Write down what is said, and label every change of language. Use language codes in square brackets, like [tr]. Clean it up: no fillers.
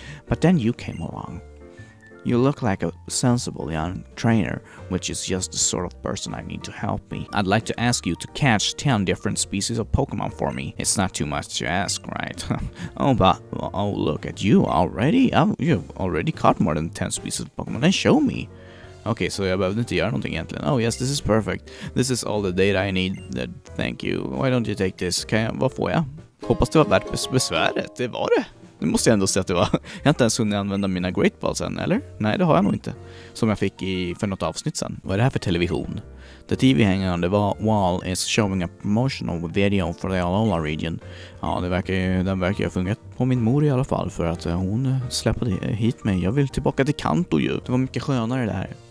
[en] But then you came along. You look like a sensible young trainer, which is just the sort of person I need to help me. I'd like to ask you to catch 10 different species of Pokemon for me. It's not too much to ask, right? Oh, look at you already. You've already caught more than 10 species of Pokemon. Then show me. [sv] Okay, so jag behövde inte göra någonting egentligen. [en] Oh yes, this is perfect. This is all the data I need. Thank you. Why don't you take this? [sv] Vad får jag? Hoppas det var värt besväret. Det var det. Det måste jag ändå säga att det var. Jag har inte ens hunnit använda mina Great Balls än, eller? Nej, det har jag nog inte. Som jag fick för något avsnitt sen. Vad är det här för television? [en] The TV hanging on the wall is showing a promotional video for the ALLT region. [sv] Ja, den verkar ha fungerat på min mor i alla fall, för att hon släppade hit mig. Jag vill tillbaka till Kanto ju. Det var mycket skönare där.